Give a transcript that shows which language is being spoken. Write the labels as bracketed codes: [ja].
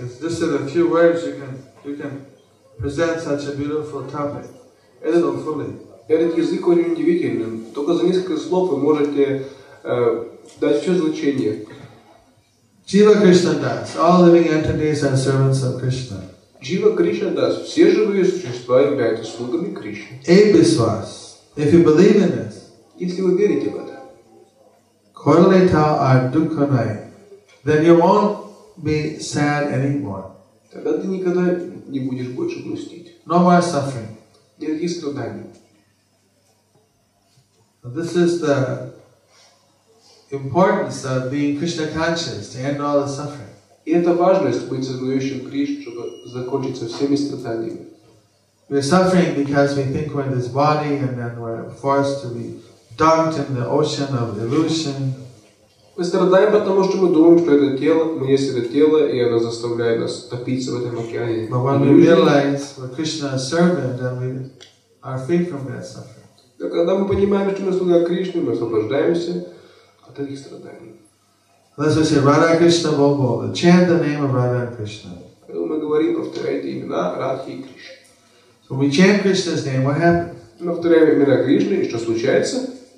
[en] It's just in a few words you can present such a beautiful topic. [ru] Это фули. Этот язык очень удивительный. Только за несколько слов вы можете дать все значение. [bn] Jiva Krishna Das. [en] All living entities are servants of Krishna. [bn] Jiva Krishna Das. [ru] Все живые существа являются слугами Кришны. [bn] Abhiswas. [en] If you believe in this. [ru] Если вы верите в это. [bn] Kodaleta ardukhanai. [en] Then you won't be sad anymore. [ru] Тогда ты никогда не будешь больше грустить. [en] No more suffering. [ru] Нет и страданий. [en] This is the importance of being Krishna conscious to end all the suffering. [ru] И это важность быть сознающим Кришну, чтобы закончить со всеми страданиями. [en] We are suffering because we think we're in this body, and then we're forced to be dunked in the ocean of illusion. [ru] Мы страдаем потому, что мы думаем, что это тело, мы есть это тело, и оно заставляет нас топиться в этом океане. [en] But when we realize we're Krishna's servant, then we are free from that suffering. [ru] Но когда мы понимаем, что мы слуга Кришны, мы освобождаемся от этих страданий. [en] Let's say [bn] Radha Krishna Bobo. [en] Chant the name of Radha Krishna. [ru] Когда мы говорим, повторяйте имена Радхи и Кришны. [en] So we chant Krishna's name, what happens? [ru] Мы повторяем имена Кришны, и что случается?